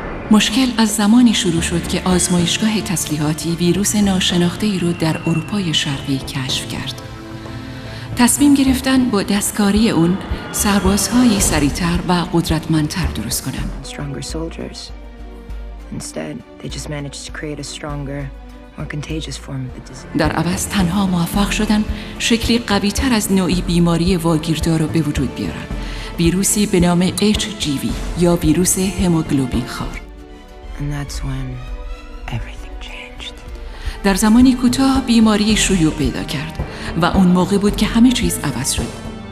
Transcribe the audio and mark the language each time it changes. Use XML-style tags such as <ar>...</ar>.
<fa>مشکل از زمانی شروع شد که آزمایشگاه تسلیحاتی ویروس ناشناخته ای رو در اروپای شرقی کشف کرد. تصمیم گرفتن با دستکاری اون سربازهایی سریع‌تر و قدرتمندتر درست کنن.</fa> <en>Stronger soldiers. Instead, they just managed to create a stronger, more contagious form of the disease.</en> <fa>در عوض تنها موفق شدن شکلی قوی‌تر از نوعی بیماری واگیردار رو به وجود بیارن. ویروسی به نام HGV یا ویروس هموگلوبین خوار.</fa> <en>And that's when everything changed.</en> <fa>در زمانی کوتاه بیماری شیوع پیدا کرد و اون موقع بود که همه چیز عوض شد.</fa>